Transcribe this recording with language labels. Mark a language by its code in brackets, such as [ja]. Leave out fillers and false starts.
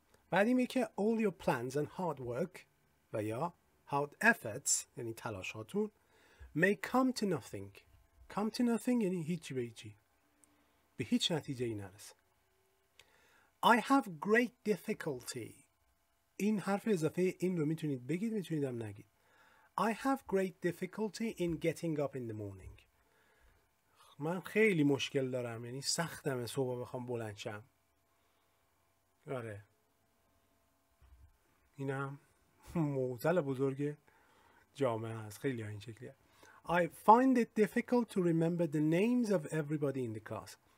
[fa] بعدی میگه که [en] all your plans and hard work و یا hard efforts [fa] یعنی تلاشاتون [en] may come to nothing. come to nothing [fa] یعنی هیچی به هیچی، به هیچ نتیجه ای نرسه. [en] I have great difficulty، [fa] این حرف اضافه این رو میتونید بگید، میتونید هم نگید. [en] I have great difficulty in getting up in the morning. [fa] من خیلی مشکل دارم، یعنی سختمه صبح بخوام بلند شم. آره اینم معضل بزرگ جامعه هست، خیلی ها این شکلیه. [en] I find it difficult to remember the names of everybody in the class.